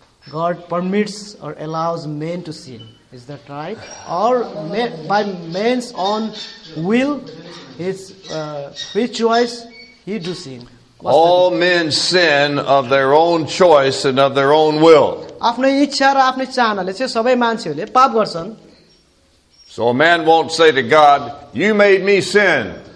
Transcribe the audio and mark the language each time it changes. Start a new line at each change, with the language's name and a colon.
English: God permits or allows men to sin. Is that right? Or by man's own will, his free choice, he do sin. What's all men sin of their own choice and of their own will.
Nepali: आफ्नै इच्छा र आफ्नै चाहनाले चाहिँ सबै मान्छेहरूले पाप गर्छन्.
English: So a man won't say to God, "You made me sin."